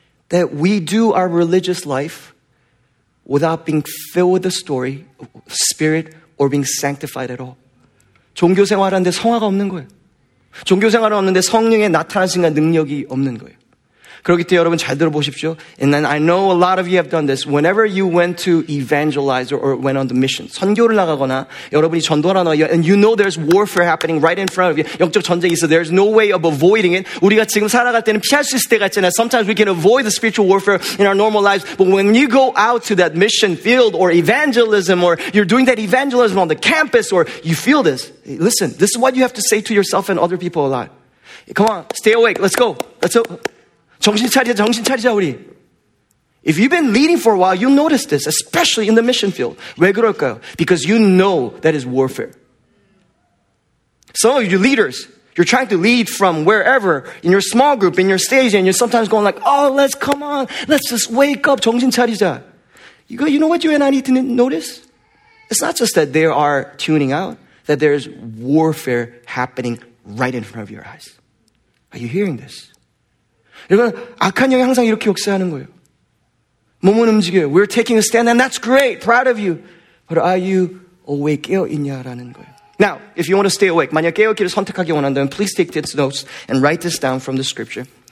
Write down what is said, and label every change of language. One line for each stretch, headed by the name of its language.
English: That we do our religious life without being filled with the story, spirit, or being sanctified at all.
Korean: 종교 생활하는데 성화가 없는 거예요. 종교 생활을 없는데 성령의 나타나심과 능력이 없는 거예요. 그렇기 때문에 여러분 잘 들어보십시오.
English: And then I know a lot of you have done this. Whenever you went to evangelize or went on the mission,
Korean: 선교를 나가거나 여러분이 전도하러 나가,
English: and you know there's warfare happening right in front of you.
Korean: 영적 전쟁이 있어.
English: There's no way of avoiding it.
Korean: 우리가 지금 살아갈 때는 피할 수 있을 때가 있잖아요.
English: Sometimes we can avoid the spiritual warfare in our normal lives. But when you go out to that mission field or evangelism or you're doing that evangelism on the campus or you feel this, listen, this is what you have to say to yourself and other people a lot. Come on, stay awake. Let's go. Let's go.
Korean: 정신 차리자, 정신 차리자, 우리.
English: If you've been leading for a while, you'll notice this, especially in the mission field.
Korean: 왜 그럴까요?
English: Because you know that is warfare. Some of you leaders, you're trying to lead from wherever, in your small group, in your stage, and you're sometimes going like, oh, let's come on, let's just wake up,
Korean: 정신 차리자.
English: You go, you know what you and I need to notice? It's not just that they are tuning out, that there's warfare happening right in front of your eyes. Are you hearing this?
Korean: 여러분, 악한 영이 항상 이렇게 역사하는 거예요. 몸은 움직여요.
English: We're taking a stand and that's great. Proud of you. But are you awake?
Korean: 깨어있냐라는 거예요.
English: Now, if you want to stay awake,
Korean: 만약 깨어있기를 선택하기 원한다면
English: please take these notes and write this down from the scripture.